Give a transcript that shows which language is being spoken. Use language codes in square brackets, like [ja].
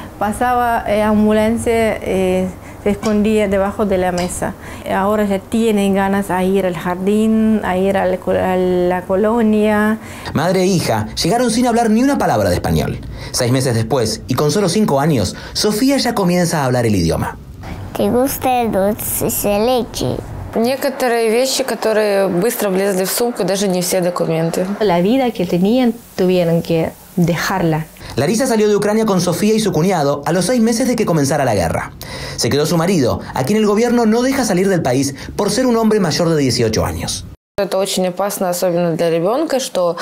[es] Pasaba ambulancia, se escondía debajo de la mesa. Ahora ya tienen ganas a ir al jardín, a ir a la colonia. Madre e hija llegaron sin hablar ni una palabra de español. 6 meses después, y con solo 5 años, Sofía ya comienza a hablar el idioma. ¿Te gusta el dulce de leche? [ru] Некоторые вещи, которые быстро влезли в сумку, даже не все документы. [es] La vida que tenían tuvieron que dejarla. Larisa salió de Ucrania con Sofía y su cuñado a los 6 meses de que comenzara la guerra. Se quedó su marido, a quien el gobierno no deja salir del país por ser un hombre mayor de 18 años. [ru] Это очень опасно, особенно для ребенка, что...